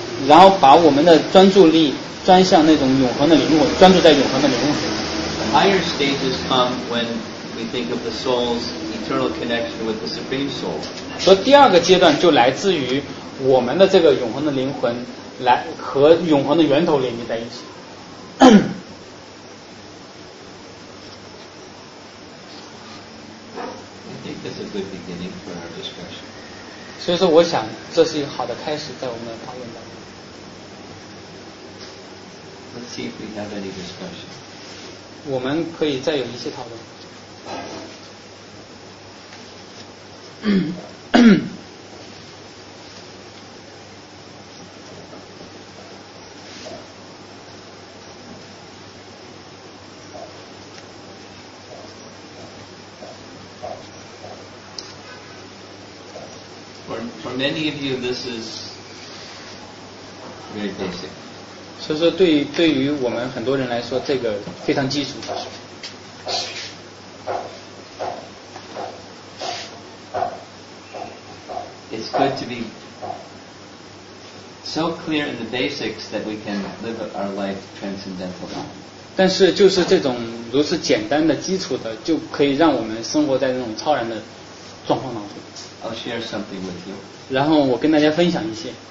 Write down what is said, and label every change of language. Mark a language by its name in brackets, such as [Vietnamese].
[Chinese] 然后把我们的专注力专向那种永恒的灵魂，专注在永恒的灵魂。 [English] The higher stages come when we think of the soul's eternal connection with the supreme soul. [Chinese] 所以第二个阶段就来自于我们的这个永恒的灵魂来和永恒的源头连接在一起。 [English] I think that's a good beginning for our discussion. [Chinese] 所以说我想这是一个好的开始在我们的讨论当中。 [English] Let's see if we have any discussion. [Chinese] 我们可以再有一些讨论。 [English] Many of you, this is very basic. [Chinese] 所以说对于我们很多人来说，这个非常基础的。 [English] It's good to be so clear in the basics that we can live our life transcendentally. [Chinese] 但是就是这种如此简单的基础的，就可以让我们生活在那种超然的状况当中。 [English] I'll share something with you. [Chinese] 然后我跟大家分享一些。